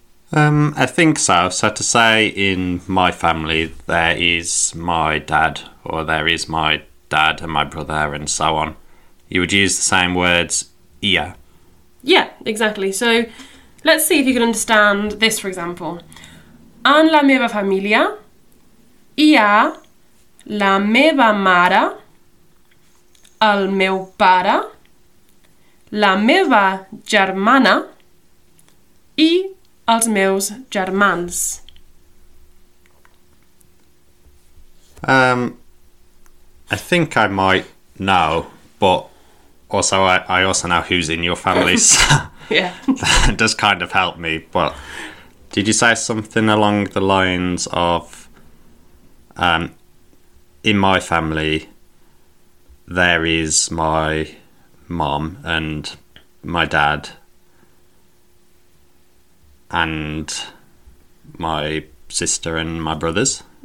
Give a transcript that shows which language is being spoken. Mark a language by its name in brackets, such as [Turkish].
[English] I think so. So to say in my family, there is my dad or there is my dad and my brother and so on, you would use the same words, ia. Yeah, exactly. So let's see if you can understand this, for example. [Catalan] En la meva familia, ia la meva mare, el meu pare, la meva germana I els meus germans. [English] I think I might know, but also I also know who's in your family, so that does kind of help me. But did you say something along the lines of, in my family, there is my mom and my dad and my sister and my brothers?